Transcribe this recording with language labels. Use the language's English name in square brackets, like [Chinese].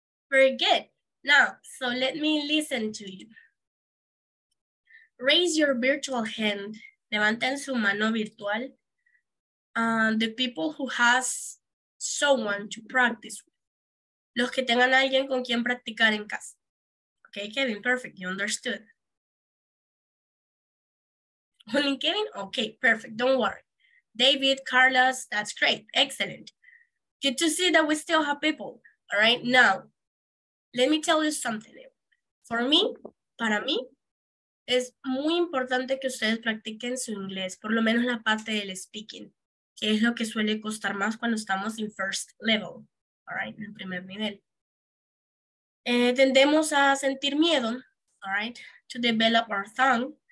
[English] Very good. Now, so let me listen to you. Raise your virtual hand. [Spanish] Levanten su mano virtual. [English] The people who has someone to practice with. [Spanish] Los que tengan alguien con quien practicar en casa. [English] Okay, Kevin, perfect. You understood. Only Kevin? Okay, perfect. Don't worry. David, Carlos, that's great. Excellent. Good to see that we still have people. All right, now, let me tell you something. For me, [Spanish] para mí, es muy importante que ustedes practiquen su inglés, por lo menos la parte del speaking, que es lo que suele costar más cuando estamos en first level, all right, en el primer nivel. Tendemos a sentir miedo, all right, [English] to develop our tongue.